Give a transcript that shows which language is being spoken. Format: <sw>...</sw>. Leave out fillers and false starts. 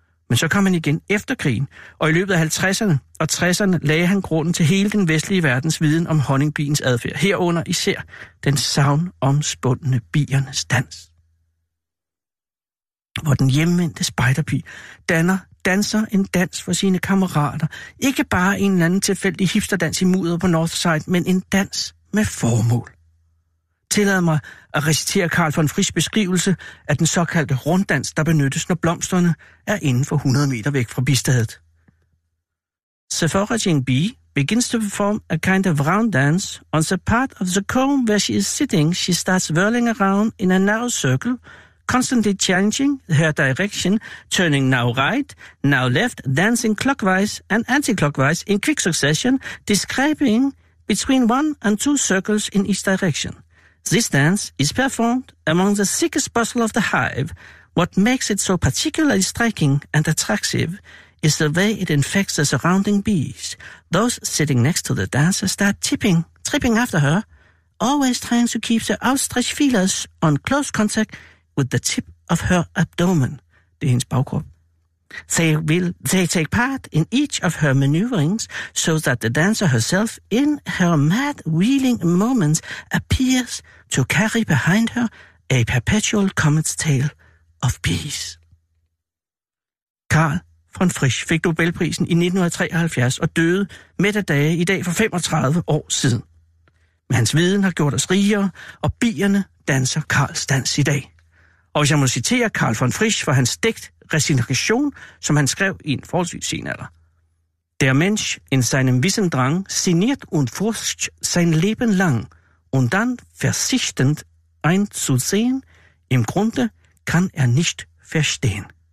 <da>Men så kom han igen efter krigen, og i løbet af 50'erne og 60'erne lagde han grunden til hele den vestlige verdens viden om honningbiens adfærd, herunder især den savnomspundne biernes dans, hvor den hjemvendte spejderpi danser en dans for sine kammerater. Ikke bare en eller anden tilfældig hipsterdans i mudder på Northside, men en dans med formål. Tillad mig at recitere Carl von Frisch beskrivelse af den såkaldte runddans, der benyttes, når blomsterne er inden for 100 meter væk fra bistadet.</da> <en>The foraging bee begins to perform a kind of round dance on the part of the comb where she is sitting. She starts whirling around in a narrow circle, constantly changing her direction, turning now right, now left, dancing clockwise and anti-clockwise in quick succession, describing between 1 and 2 circles in each direction. This dance is performed among the thickest bustle of the hive. What makes it so particularly striking and attractive is the way it infects the surrounding bees. Those sitting next to the dancer start tripping after her, always trying to keep their outstretched feelers on close contact with the tip of her abdomen.</en> <da>Det er hendes bagkrop.</da> <en>They take part in each of her maneuverings so that the dancer herself in her mad wheeling moments appears to carry behind her a perpetual comet's tail of bees.</en> <da>Carl von Frisch fik Nobelprisen i 1973 og døde midt af dage i dag for 35 år siden. Men hans viden har gjort os rigere, og bierne danser Carls dans i dag. Og hvis jeg må citere Carl von Frisch for hans digt Resignation, som han skrev i en forholdsvis sen alder.</da> <de>Der Mensch in seinem Wissen drang, sinniert und forscht sein Leben lang, und dann versichtend einzusehen, im Grunde kann nicht verstehen.</de>